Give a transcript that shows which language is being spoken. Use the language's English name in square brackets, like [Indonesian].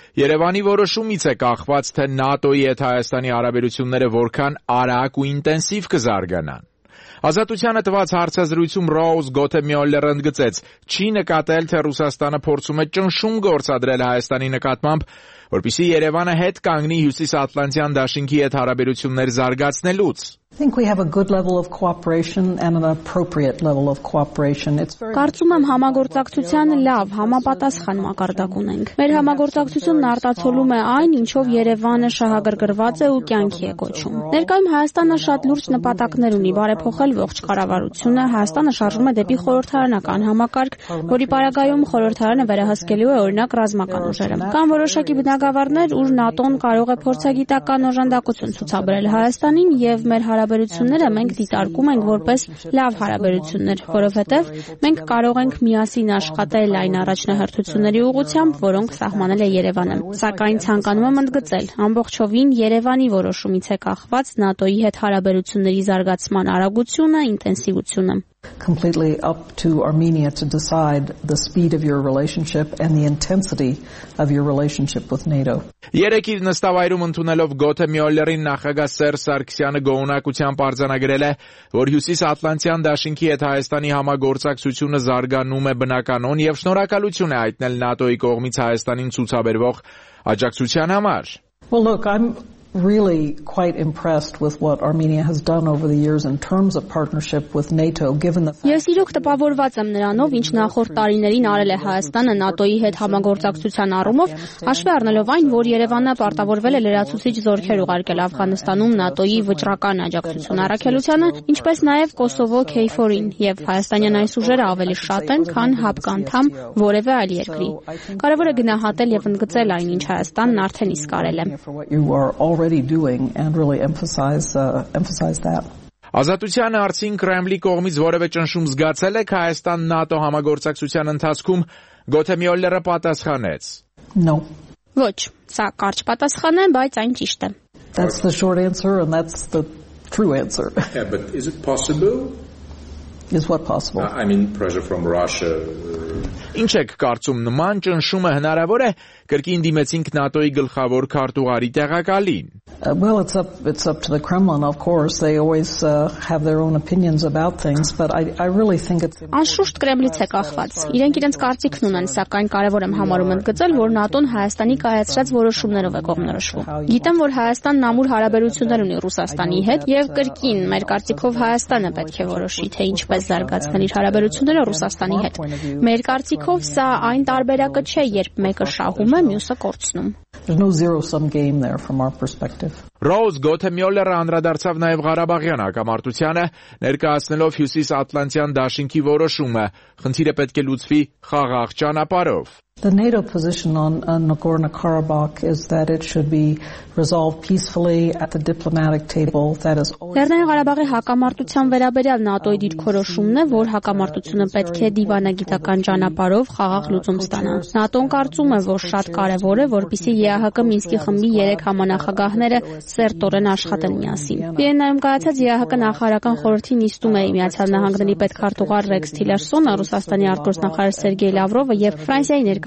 [Armenian] Երևանի որոշումից է կախված, թե ՆԱՏՕ-ի հետ Հայաստանի հարաբերությունները որքան արագ ու ինտենսիվ կզարգանան։ Ազատությանը տված հարցազրույցում Ռոս Գոթեմյոլերը ընդգծեց, չի նկատել, թե Ռուսաստանը փորձում է ճնշում գործադրել Հայաստանի նկատմամբ, որպիսի Երևանը հետ կանգնի հյուսիսատլանտյան դաշինքի հետ հարաբերություններ զարգացնելուց։ [English] I think we have a good level of cooperation and an appropriate level of cooperation. It's very [Armenian] Կարծում եմ համագործակցության լավ համապատասխան մակարդակ ունենք։ Մեր համագործակցությունն արտացոլում է այն, ինչով Երևանը շահագրգռված է ու կյանքի է կոչում։ Ներկայում Հայաստանը շատ լուրջ նպատակներ ունի բարեփոխել ողջ կառավարությունը, Հայաստանը շարժվում է դեպի խորհրդարանական համակարգ, որի պարագայում խորհրդարանը վերահսկելու է օրինակ ռազմական ուժերը։ Կան որոշակի բնագավառներ, ուր ՆԱՏՕ-ն կարող է փորձագիտական օժանդակություն ցուցաբերել Հայաստանին եւ հարաբերությունները մենք դիտարկում ենք որպես լավ հարաբերություններ, որովհետև մենք կարող ենք միասին աշխատել այն առաջնահերթությունների ուղղությամբ, որոնք սահմանել է Երևանը։ Սակայն ցանկանում եմ ընդգծել, ամբողջովին Երևանի որոշումից է կախված ՆԱՏՕ-ի հետ հարաբերությունների զարգացման արագությունը, ինտենսիվությունը։ [English] Completely up to Armenia to decide the speed of your relationship and the intensity of your relationship with NATO. [Armenian] Երեկի նստավայրում ընդունելով Գոթեմյոլերին նախագահ Սերժ Սարգսյանը գոհունակությամբ արձանագրել է, որ հյուսիսատլանտյան դաշինքի հետ Հայաստանի համագործակցությունը զարգանում է բնականոն եւ շնորհակալություն է հայտնել ՆԱՏՕ-ի կողմից Հայաստանին ցուցաբերվող աջակցության համար։ [English] Well, look, I'm really quite impressed with what Armenia has done over the years in terms of partnership with NATO given the fact [Armenian] Ես իրոք տպավորված եմ նրանով, ինչ նախորդ տարիներին արել է Հայաստանը ՆԱՏՕ-ի հետ համագործակցության առումով, հաշվի առնելով այն, որ Երևանը պարտավորվել է լրացուցիչ զորքեր ուղարկել Աֆղանստանում ՆԱՏՕ-ի վճռական աջակցություն առաքելությանը, ինչպես նաև Կոսովո KFOR-ին, եւ հայաստանյան այս ուժերը ավելի շատ են, քան հապկանդամ որևէ այլ երկրի։ Կարևոր է գնահատել եւ ընդգծել այն, ինչ Հայաստանն արդեն իսկ արել է։ [English] Already doing and really emphasize that. [Armenian] Ազատության արցին Կրեմլի կողմից որևէ ճնշում զգացել է Հայաստան ՆԱՏՕ համագործակցության ընթացքում, Գոթեմյոլերը պատասխանեց. [English] No. [Armenian] Ոչ, սա կարճ պատասխան է, բայց այն ճիշտ է. [English] That's the short answer and that's the true answer. Yeah, but is it possible? Is what possible? I mean pressure from Russia. [Armenian] Ինչ եք կարծում, նման ճնշումը հնարավոր է, կրկին դիմեցինք ՆԱՏՕ-ի գլխավոր քարտուղարի տեղակալին։ [English] Well, it's up to the Kremlin, of course. They always have their own opinions about things, but I really think it's [Armenian] Անշուշտ Կրեմլից է կախված։ Իրենք իրենց կարծիքն ունեն, սակայն կարևոր եմ համարում ընդգծել, որ ՆԱՏՕ-ն Հայաստանի կայացրած որոշումներով է կողմնորոշվում։ Գիտեմ, որ Հայաստանն ամուր հարաբերություններ ունի Ռուսաստանի հետ, եւ կրկին, մեր կարծիքով Հայաստանը պետք է որոշի, թե ինչպես զարգացնել իր հարաբերությունները Ռուսաստանի հետ։ Մեր կարծիքով սա այն տարբերակը չէ, երբ մեկը շահում է, մյուսը կորցնում։ [English] There's no zero-sum game there from our perspective. [Armenian] Ռոս Գոթեմյոլերը անդրադարձավ նաև Ղարաբաղյան հակամարտությանը, ներկայացնելով հյուսիսատլանտյան դաշինքի որոշումը, խնդիրը պետք է լուծվի խաղաղ ճանապարհով։ [English] The NATO position on Nagorno-Karabakh is that it should be resolved peacefully at the diplomatic table. That is always [Armenian] Լեռնային Ղարաբաղի հակամարտության վերաբերյալ ՆԱՏՕ-ի դիրքորոշումն է, որ հակամարտությունը պետք է դիվանագիտական ճանապարհով խաղաղ լուծում ստանա։ ՆԱՏՕ-ն կարծում է, որ շատ կարևոր է, որպեսզի ԵԱՀԿ Մինսկի խմբի 3 համանախագահները սերտորեն աշխատեն միասին։ Վիեննայում կայացած ԵԱՀԿ նախարարական խորհրդի նիստում է Միացյալ Նահանգների պետքարտուղար Ռեքս Թիլերսոնը, Ռուսաստանի արտգործնախարար Սերգեյ Լավրովը եւ Ֆրանսիայի